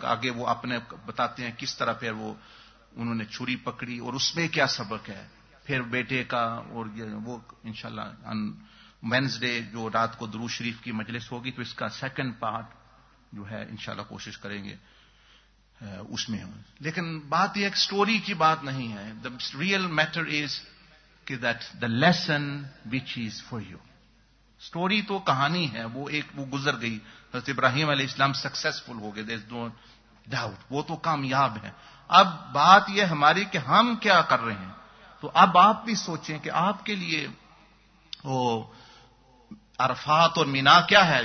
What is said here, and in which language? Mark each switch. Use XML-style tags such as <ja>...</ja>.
<ur>آگے وہ اپنے بتاتے ہیں کس طرح پھر وہ انہوں نے چھری پکڑی اور اس میں کیا سبق ہے پھر بیٹے کا. اور وہ انشاءاللہ وینزڈے جو رات کو درود شریف کی مجلس ہوگی تو اس کا سیکنڈ پارٹ جو ہے انشاءاللہ کوشش کریں گے اس میں. لیکن بات یہ ایک سٹوری کی بات نہیں ہے.</ur> <en>The real matter is کہ that the lesson which is for you.</en> <ur>Story تو کہانی ہے، وہ ایک وہ گزر گئی. حضرت ابراہیم علیہ السلام سکسیسفل ہو گئے،</ur> <en>there is no doubt,</en> <ur>وہ تو کامیاب ہیں. اب بات یہ ہماری کہ ہم کیا کر رہے ہیں، تو اب آپ بھی سوچیں کہ آپ کے لیے وہ عرفات اور مینا کیا ہے.</ur>